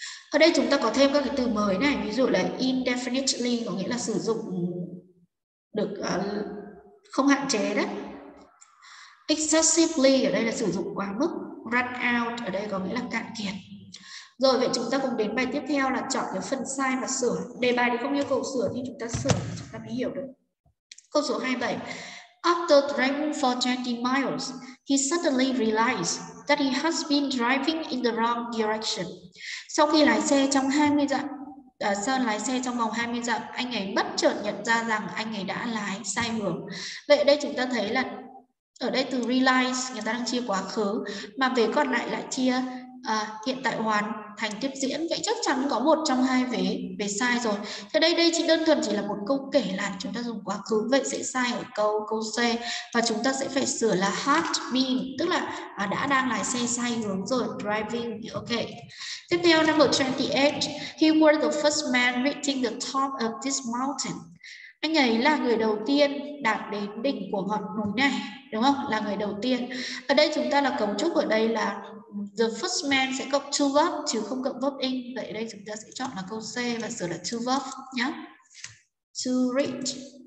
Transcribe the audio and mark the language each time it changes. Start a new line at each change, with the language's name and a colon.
Vietnamese: Ở đây chúng ta có thêm các cái từ mới này, ví dụ là indefinitely có nghĩa là sử dụng được không hạn chế đấy. Excessively ở đây là sử dụng quá mức, run out ở đây có nghĩa là cạn kiệt. Rồi vậy chúng ta cùng đến bài tiếp theo là chọn cái phần sai và sửa. Đề bài thì không yêu cầu sửa nhưng chúng ta sửa chúng ta mới hiểu được. Câu số 27.
English: After driving for 20 miles, he suddenly realized that he has been driving in the wrong direction.
Vietnamese: Sau khi lái xe trong 20 dặm, Sơn lái xe trong vòng 20 dặm, anh ấy bất chợt nhận ra rằng anh ấy đã lái sai hướng. Vậy ở đây chúng ta thấy là ở đây từ realize người ta đang chia quá khứ, mà về còn lại lại chia Hiện tại hoàn thành tiếp diễn, vậy chắc chắn có một trong hai vế vế sai rồi. Thế đây đây chỉ đơn thuần chỉ là một câu kể lại, chúng ta dùng quá khứ, vậy sẽ sai ở câu câu C và chúng ta sẽ phải sửa là
English: had been,
Vietnamese: tức là đã đang lái xe sai hướng rồi, driving. Ok. Tiếp theo
English: number 28, he was the first man reaching the top of this mountain.
Vietnamese: Anh ấy là người đầu tiên đạt đến đỉnh của ngọn núi này, đúng không? Là người đầu tiên. Ở đây chúng ta là cấu trúc ở đây là
English: the first man
Vietnamese: sẽ cộng two verb chứ không cộng verb in. Vậy đây chúng ta sẽ chọn là câu C và sửa là two verb nhé. To reach.